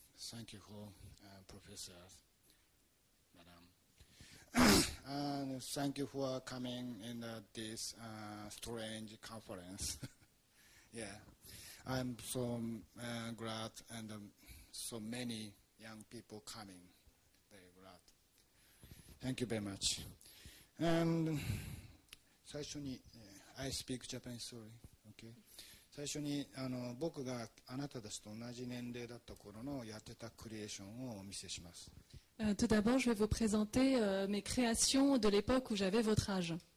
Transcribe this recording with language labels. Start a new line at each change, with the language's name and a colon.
English: Thank you for professors, madam. And thank you for coming in this strange conference. Yeah. I'm so glad and so many young people coming very glad. Thank you very much. And
Japanese: 最初に、
English: I speak Japanese, sorry. Okay.
Japanese: 最初にあの僕があなたたちと同じ年齢だった頃のやってたクリエーションをお見せします。
French: Tout d'abord, je vais vous présenter mes créations de l'époque où j'avais votre âge.